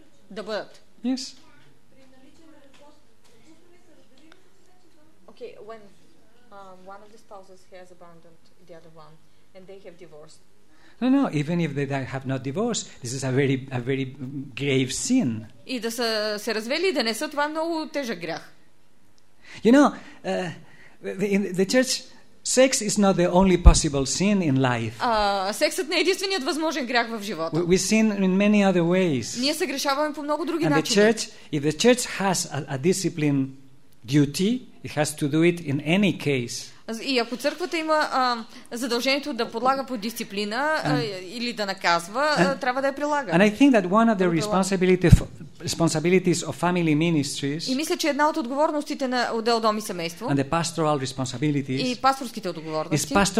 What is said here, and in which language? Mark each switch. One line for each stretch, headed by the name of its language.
Bulgarian: Да бъдат.
English: Yes. Okay, when one of the spouses has abandoned the other one and they have divorced. No, no, even if they have not divorced, this is a very grave sin.
Bulgarian: И да са се развели, да не са, това много тежък грях.
English: You know, in the church, sex is not the only possible sin in life.
Bulgarian: Сексът не е единственият възможен грях в живота.
English: We sin in many other ways.
Bulgarian: Ние се грешаваме по много други
English: and
Bulgarian: начини.
English: And the church, if the church has a discipline duty, it has to do it in any case.
Bulgarian: И ако църквата има задължението да подлага по дисциплина или да наказва, трябва да я прилага.
English: And I think that one of the responsibilities of family ministries.
Bulgarian: И мисля, че една от отговорностите на отдел дом и семейство.
English: And the pastoral responsibilities.
Bulgarian: И пасторските отговорности.